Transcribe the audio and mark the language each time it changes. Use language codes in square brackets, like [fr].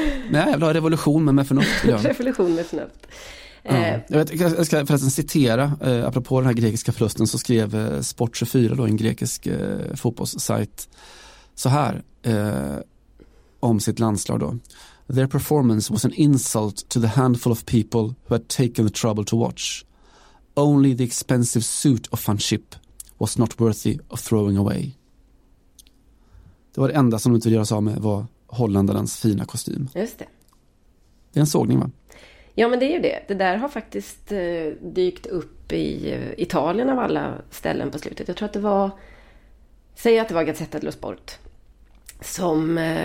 [sv] Nej, jag vill ha revolution med förnuft. Revolution med förnuft. Jag ska förresten citera, apropå den här grekiska förlusten, så skrev Sport 24 då, en grekisk fotbollssajt, så här om sitt landslag då. [en] Their performance was an insult to the handful of people who had taken the trouble to watch. Only the expensive suit of Fanchip was not worthy of throwing away. [sv] Det var det enda som de inte ville göra sig av med, var holländarens fina kostym. Just det. Det är en sågning, va? Ja, men det är ju det. Det där har faktiskt dykt upp i Italien av alla ställen på slutet. Jag tror att det var... Säg att det var Gazzetta dello Sport som...